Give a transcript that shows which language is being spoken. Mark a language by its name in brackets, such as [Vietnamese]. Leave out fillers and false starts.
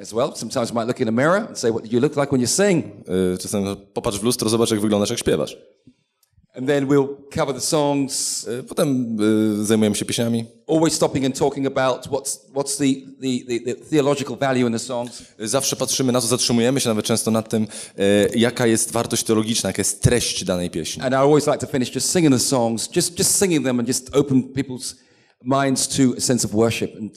[English] As well, sometimes you might look in a mirror and say, what do you look like when you sing? [Polish] Czasem popatrz w lustro, zobacz, jak wyglądasz, jak śpiewasz. [English] And then we'll cover the songs. [Polish] Potem zajmujemy się pieśniami. [English] Always stopping and talking about what's the theological value in the songs. [Polish] Zawsze patrzymy na to, zatrzymujemy się nawet często nad tym, jaka jest wartość teologiczna, jaka jest treść danej pieśni. [English] And I always like to finish just singing the songs, just singing them and just open people's minds to a sense of worship